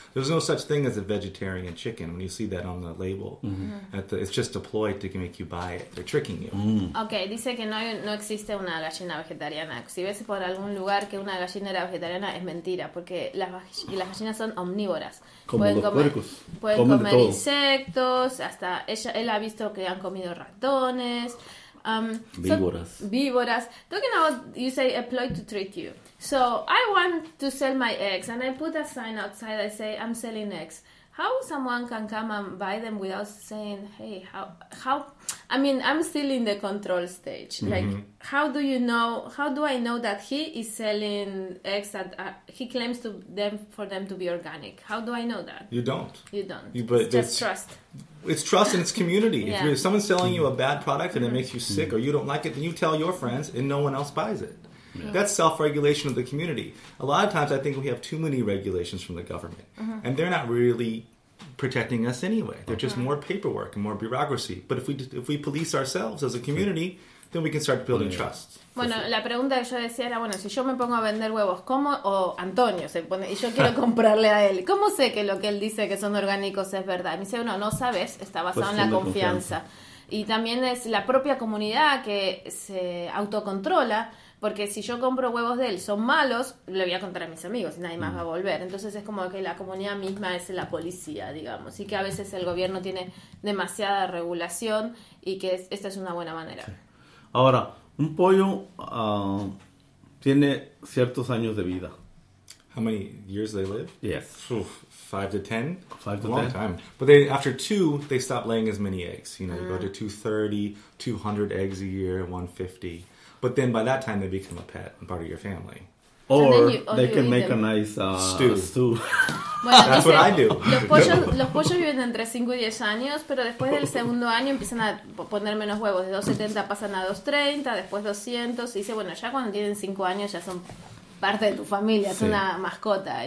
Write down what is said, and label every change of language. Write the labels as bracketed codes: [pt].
[en] There's no such thing as a vegetarian chicken when you see that on the label. Mm-hmm. It's just a ploy to make you buy it. They're tricking you. Mm. [es] Okay, dice que no existe una gallina vegetariana. Si ves por algún lugar que una gallina era vegetariana, es mentira, porque las gallinas son omnívoras. Pueden comer insectos, hasta él ha visto que han comido ratones... Víboras. [en] Talking about, you say a ploy to trick you. So I want to sell my eggs, and I put a sign outside. I say I'm selling eggs. How someone can come and buy them without saying, hey, how? I mean, I'm still in the control stage. Mm-hmm. Like, how do I know that he is selling eggs that he claims to them for them to be organic? How do I know that? You don't. It's just trust. It's trust and it's community. Yeah. If someone's selling you a bad product and it makes you sick or you don't like it, then you tell your friends and no one else buys it. Yeah. That's self-regulation of the community. A lot of times I think we have too many regulations from the government. Uh-huh. And they're not really protecting us anyway. They're just more paperwork and more bureaucracy. But if we police ourselves as a community, then we can start building trust. [es] Bueno, la pregunta que yo decía era, bueno, si yo me pongo a vender huevos, ¿cómo? O Antonio se pone, y yo quiero comprarle a él. ¿Cómo sé que lo que él dice que son orgánicos es verdad? Y me dice, bueno, no sabes, está basado pues en la confianza. Y también es la propia comunidad que se autocontrola, porque si yo compro huevos de él, son malos, le voy a contar a mis amigos y nadie más va a volver. Entonces es como que la comunidad misma es la policía, digamos. Y que a veces el gobierno tiene demasiada regulación y que esta es una buena manera. Sí. Ahora, un pollo tiene ciertos años de vida. [en] How many years they live? Yes. Oof. 5 to 10? 5 to 10. A long time. But they, after 2, they stop laying as many eggs. You know, you go to 230, 200 eggs a year, 150. But then by that time, they become a pet and part of your family. Or they can make a nice stew. [es] Bueno, [en] that's what I do. [es] Los pollos viven entre 5 y 10 años, pero después del segundo año empiezan a poner menos huevos. De 270 pasan a 230, después 200. Y dice, bueno, ya cuando tienen 5 años ya son... parte de tu familia, es una mascota.